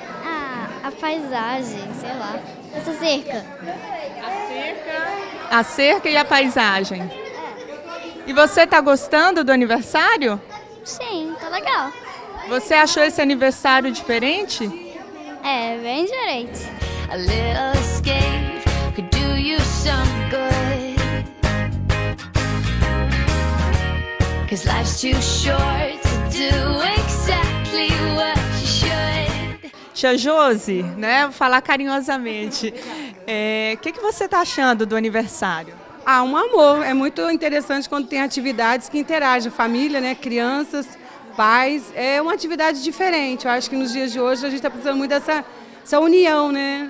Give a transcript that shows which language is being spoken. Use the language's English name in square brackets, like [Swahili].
[Portuguese] Ah, a paisagem, sei lá. Essa cerca. A cerca. A cerca e a paisagem. E você tá gostando do aniversário? Sim, tá legal. Você achou esse aniversário diferente? É, bem diferente. [English] A little escape could do you some good. Cause life's too short to do exactly what you should. [Portuguese] Tia Josi, né? Vou falar carinhosamente. Que você tá achando do aniversário? Ah, um amor. É muito interessante quando tem atividades que interagem. Família, né? Crianças, pais. É uma atividade diferente. Eu acho que nos dias de hoje a gente está precisando muito dessa união, né?